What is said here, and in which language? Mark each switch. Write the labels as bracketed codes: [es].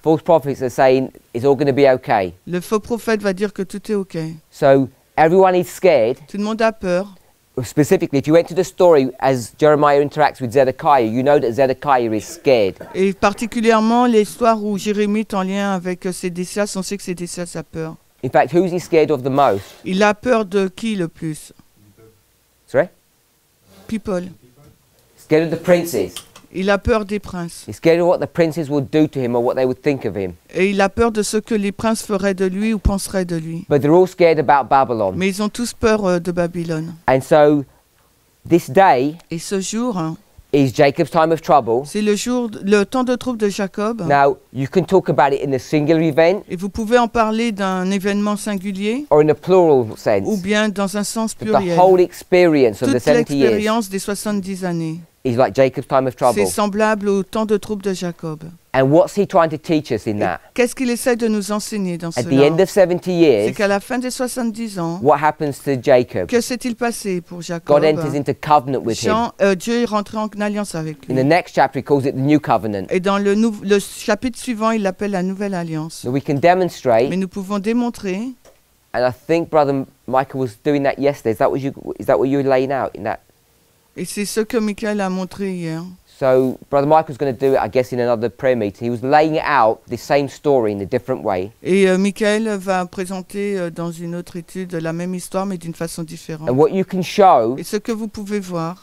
[en] False prophets are saying it's all going to be okay. [fr] Le faux prophète va dire que tout est okay. [en] So everyone is scared. [fr] Tout le monde a peur. [en] Specifically, if you went to the story as Jeremiah interacts with Zedekiah, you know that Zedekiah is scared. [fr] Et particulièrement l'histoire où Jérémie est en lien avec Zedekiah, on sait que Zedekiah a peur. [en] In fact, who is he scared of the most? [fr] Il a peur de qui le plus? [en] Sorry? People. Scared of the princes. [fr] Il a peur des princes. [en] He's scared of what the princes would do to him or what they would think of him. [fr] Et il a peur de ce que les princes feraient de lui ou penseraient de lui. [en] But they're all scared about Babylon. [fr] Mais ils ont tous peur de Babylone. [en] And so, this day. [fr] Et ce jour. [en] Is Jacob's time of trouble. [fr] C'est le jour, le temps de trouble de Jacob. [en] Now, you can talk about it in a singular event. [fr] Et vous pouvez en parler d'un événement singulier. [en] Or in a plural sense. [fr] Ou bien dans un sens pluriel. [en] The whole experience of the 70 years. [fr] Toute l'expérience des 70 années. [en] Is like Jacob's time of trouble. [fr] C'est semblable au temps de trouble de Jacob. [en] And what's he trying to teach us in that? [fr] Qu'est-ce qu'il essaie de nous enseigner dans cela? [en] At the end of 70 years. [fr] C'est qu'à la fin des 70 ans. [en] What happens to Jacob? [fr] Que s'est-il passé pour Jacob? [en] God enters into covenant with him. [fr] Dieu est rentré en alliance avec lui. [en] In the next chapter, he calls it the new covenant. [fr] Et dans le chapitre suivant, il l'appelle la nouvelle alliance. [en] So we can demonstrate. [fr] Mais nous pouvons démontrer. [en] And I think Brother Michael was doing that yesterday. Is that what you were laying out in that? [fr] Et c'est ce que Michael a montré hier. [en] So, Brother Michael's going to do it, I guess, in another prayer meeting. He was laying out the same story in a different way. [fr] Et Michael va présenter dans une autre étude la même histoire, mais d'une façon différente. [en] And what you can show [fr] Et ce que vous pouvez voir